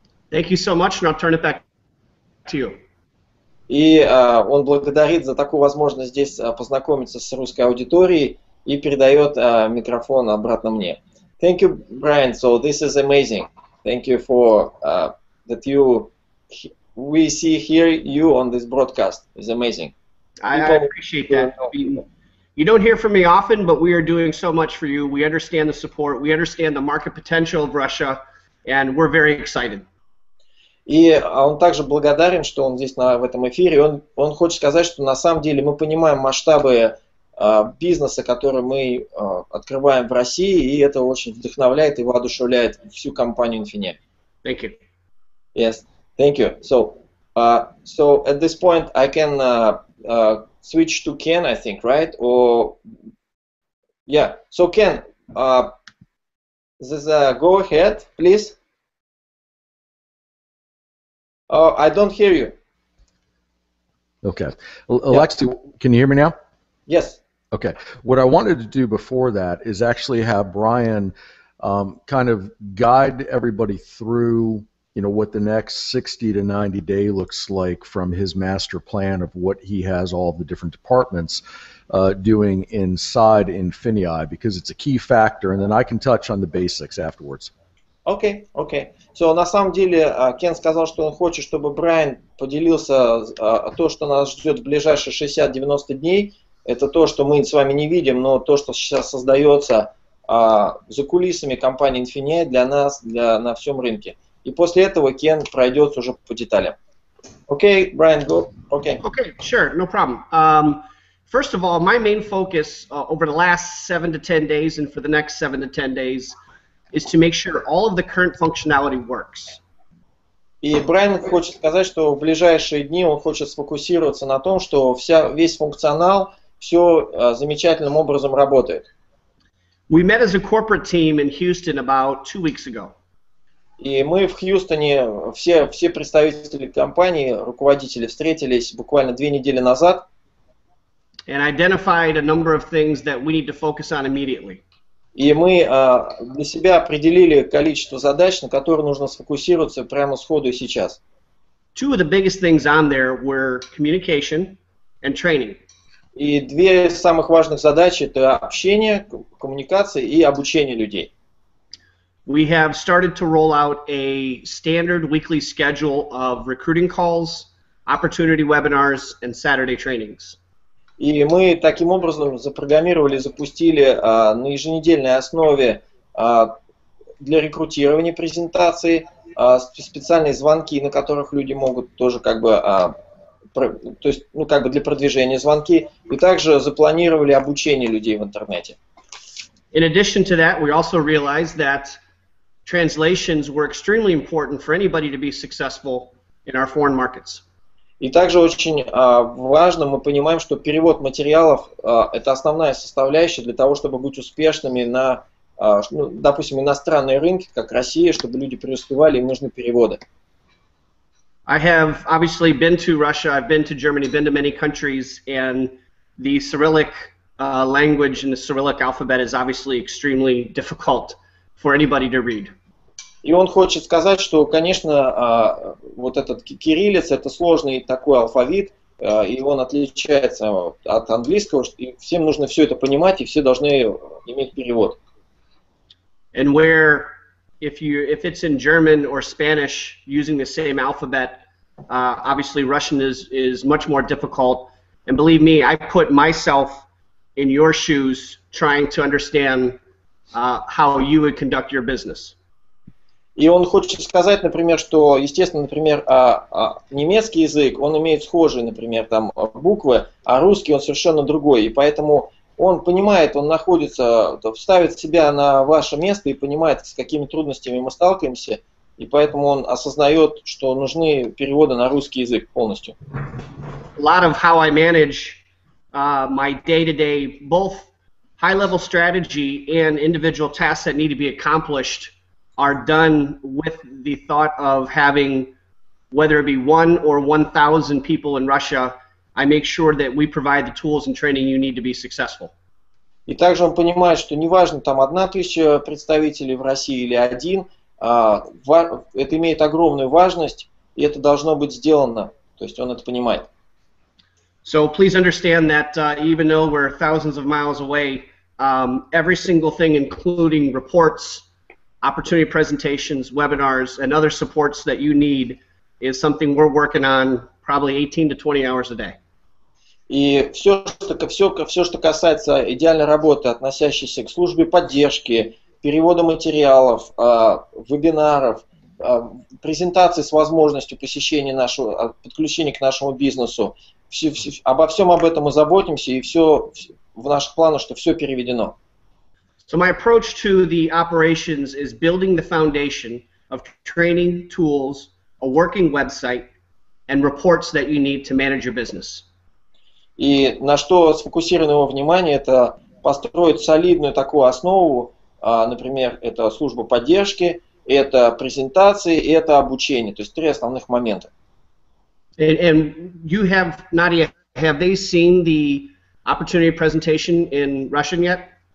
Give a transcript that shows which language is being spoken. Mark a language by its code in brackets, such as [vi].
[en] Thank you so much, and I'll turn it back to you. [ru] И он благодарит за такую возможность здесь познакомиться с русской аудиторией и передает микрофон обратно мне. [en] Thank you, Brian. So this is amazing. Thank you for that you we see here you on this broadcast. It's amazing. I appreciate that. You don't hear from me often, but we are doing so much for you. We understand the support. We understand the market potential of Russia, and we're very excited. [ru] И он также благодарен, что он здесь в этом эфире. Он хочет сказать, что на самом деле мы понимаем масштабы бизнеса, который мы открываем в России, и это очень вдохновляет и воодушевляет всю компанию Infineon. [en] Thank you. Yes, thank you. So, so at this point I can switch to Ken, I think, right? Or yeah. So Ken, go ahead, please. Oh, I don't hear you. Okay. Alexei, yeah. Can you hear me now? Yes. Okay. What I wanted to do before that is actually have Brian kind of guide everybody through, you know, what the next 60 to 90 day looks like from his master plan of what he has all the different departments doing inside Infineon, because it's a key factor, and then I can touch on the basics afterwards. [ru] Окей, окей. Все, на самом деле, Кен сказал, что он хочет, чтобы Брайан поделился то, что нас ждет в ближайшие 60-90 дней. Это то, что мы с вами не видим, но то, что сейчас создается за кулисами компании Infineon для нас, на всем рынке. И после этого Кен пройдется уже по деталям. Окей, Брайан, [en] go. [ru] Окей. [en] Окей, sure, no problem. First of all, my main focus over the last 7 to 10 days and for the next 7 to 10 days is to make sure all of the current functionality works. [ru] И Брайан хочет сказать, что в ближайшие дни он хочет сфокусироваться на том, что весь функционал все замечательным образом работает. [en] We met as a corporate team in Houston about 2 weeks ago. [ru] И мы в Хьюстоне все представители компании, руководители встретились буквально 2 недели назад. [en] And identified a number of things that we need to focus on immediately. [ru] И мы для себя определили количество задач, на которые нужно сфокусироваться прямо сходу и сейчас. [en] Two of the biggest things on there were communication and training. [ru] И 2 самых важных задачи – это общение, коммуникация и обучение людей. [en] We have started to roll out a standard weekly schedule of recruiting calls, opportunity webinars, and Saturday trainings. [ru] И мы таким образом запрограммировали, запустили на еженедельной основе для рекрутирования презентации специальные звонки, на которых люди могут тоже как бы, то есть, ну, как бы для продвижения звонки, и также запланировали обучение людей в интернете. [en] In addition to that, we also realized that translations were extremely important for anybody to be successful in our foreign markets. [ru] И также очень важно, мы понимаем, что перевод материалов – это основная составляющая для того, чтобы быть успешными на, ну, допустим, иностранные рынки, как Россия, чтобы люди преуспевали, им нужны переводы. [en] I have obviously been to Russia, I've been to Germany, been to many countries, and the Cyrillic language and the Cyrillic alphabet is obviously extremely difficult for anybody to read. [ru] И он хочет сказать, что, конечно, вот этот кириллиц – это сложный такой алфавит, и он отличается от английского, и всем нужно все это понимать, и все должны иметь перевод. [en] And where, if it's in German or Spanish, using the same alphabet, obviously Russian is much more difficult. And believe me, I put myself in your shoes trying to understand how you would conduct your business. [ru] И он хочет сказать, например, что, естественно, например, немецкий язык, он имеет схожие, например, там, буквы, а русский, он совершенно другой. И поэтому он понимает, он находится, ставит себя на ваше место и понимает, с какими трудностями мы сталкиваемся. И поэтому он осознает, что нужны переводы на русский язык полностью. [en] A lot of how I manage my day-to-day, both high-level strategy and individual tasks that need to be accomplished are done with the thought of having, whether it be one or 1,000 people in Russia, I make sure that we provide the tools and training you need to be successful. [ru] И также он понимает, что неважно там 1000 представителей в России или один, это имеет огромную важность, и это должно быть сделано. То есть он это понимает. [en] So please understand that even though we're thousands of miles away, every single thing, including reports, opportunity presentations, webinars, and other supports that you need is something we're working on probably 18 to 20 hours a day. [ru] И все, что касается идеальной работы, относящейся к службе поддержки, перевода материалов, вебинаров, презентации с возможностью посещения нашего, подключения к нашему бизнесу, обо всем об этом мы заботимся, и все в наших планах, что все переведено. [en] So my approach to the operations is building the foundation of training tools, a working website, and reports that you need to manage your business. [ru] И на что сфокусировано его внимание, это построить солидную такую основу, например, это служба поддержки, это презентации, и это обучение, то есть три основных момента. [en] And you have, Nadia, have they seen the opportunity presentation in Russian yet?